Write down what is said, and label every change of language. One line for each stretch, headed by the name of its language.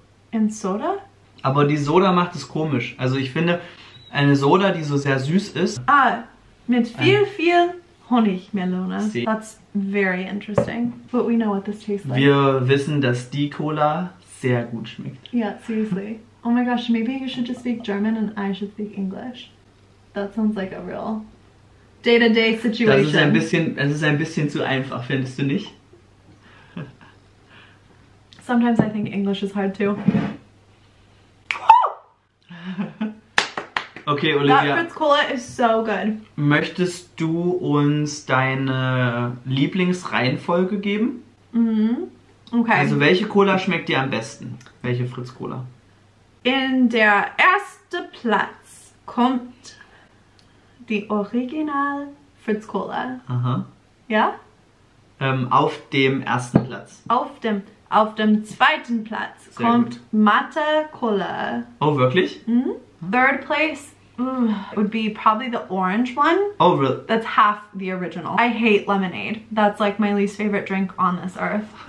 German: In Soda? Aber die Soda macht es komisch. Also ich finde, eine Soda, die so sehr süß ist... Ah, mit viel Honigmelone.
English: See. That's very interesting. But we know what this tastes like.
German: Wir wissen, dass die Cola sehr gut schmeckt.
English: Yeah, seriously. Oh my gosh, maybe you should just speak German and I should speak English. That sounds like a real day-to-day situation.
German: Das ist ein bisschen zu einfach, findest du nicht?
English: Sometimes I think English is hard too. Okay, Olivia. That Fritz Cola is so good.
German: Möchtest du uns deine Lieblingsreihenfolge geben? Mhm. Okay. Also welche Cola schmeckt dir am besten? Welche Fritz Cola? In der ersten Platz kommt die Original Fritz Cola. Aha. Ja? Auf dem ersten Platz. Auf dem zweiten Platz sehr kommt Mathe Cola. Oh, wirklich? Mhm.
English: Third place would be probably the orange one. Oh, really? That's half the original. I hate lemonade. That's like my least favorite drink on this earth.